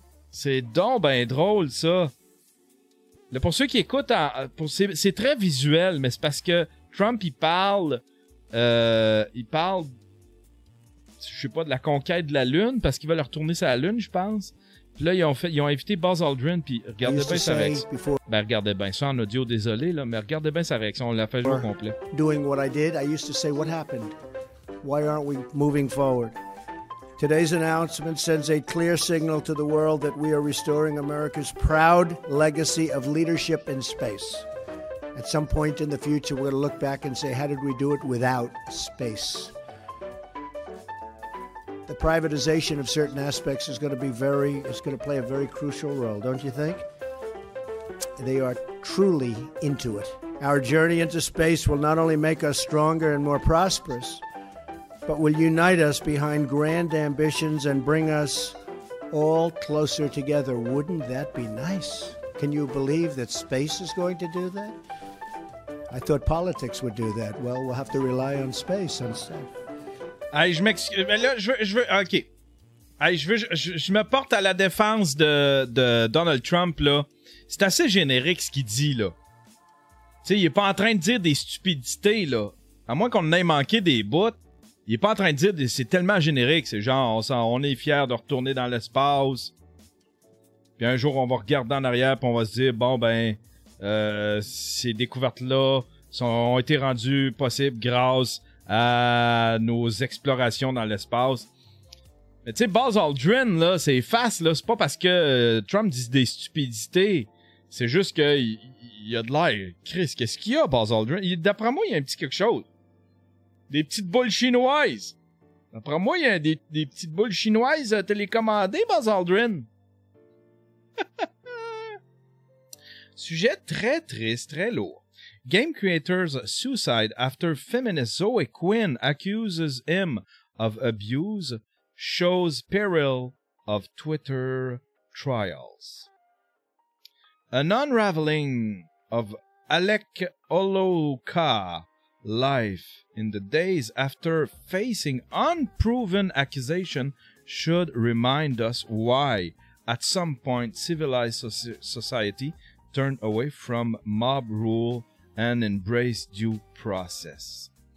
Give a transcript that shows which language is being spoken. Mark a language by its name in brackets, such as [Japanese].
[French] C'est donc ben drôle, ça! Pour ceux qui écoutent, c'est très visuel, mais c'est parce que Trump, il parle, je sais pas, de la conquête de la Lune, parce qu'il va leur retourner sur la Lune, je pense. Puis là, ils ont invité Buzz Aldrin, puis regardez bien sa réaction. Ben, regardez bien ça en audio, désolé, là, mais regardez bien sa réaction, on l'a fait jouer au complet. [English] Doing what I did, I used to say, what happened? Why aren't we moving forward? Today's announcement sends a clear signal to the world that we are restoring America's proud legacy of leadership in space. At some point in the future, we're going to look back and say, how did we do it without space? The privatization of certain aspects is going to play a very crucial role, don't you think? They are truly into it. Our journey into space will not only make us stronger and more prosperous, but will unite us behind grand ambitions and bring us all closer together. Wouldn't that be nice? Can you believe that space is going to do that? I thought politics would do that. Well, we'll have to rely on space instead. [French] Hey, je m'excuse. Mais là, je veux... OK. Hey, je me porte à la défense de Donald Trump, là. C'est assez générique ce qu'il dit, là. Tu sais, il est pas en train de dire des stupidités, là. À moins qu'on ait manqué des bouts, il est pas en train de dire... C'est tellement générique, c'est genre, on est fiers de retourner dans l'espace. Puis un jour, on va regarder en arrière, puis on va se dire, bon, ben, ces découvertes-là ont été rendues possibles grâce à nos explorations dans l'espace. Mais tu sais, Buzz Aldrin, là, c'est efface, là. C'est pas parce que Trump dit des stupidités. C'est juste que il a de l'air. Chris, qu'est-ce qu'il y a, Buzz Aldrin? D'après moi, il y a un petit quelque chose. Des petites boules chinoises. D'après moi, il y a des petites boules chinoises télécommandées, Buzz Aldrin. Sujet très triste, très lourd. [English] Game creators suicide after feminist Zoe Quinn accuses him of abuse. Shows peril of Twitter trials. An unraveling of Alec Holoka's life in the days after facing unproven accusation should remind us why, at some point, civilized society turned away from mob rule and embraced due process.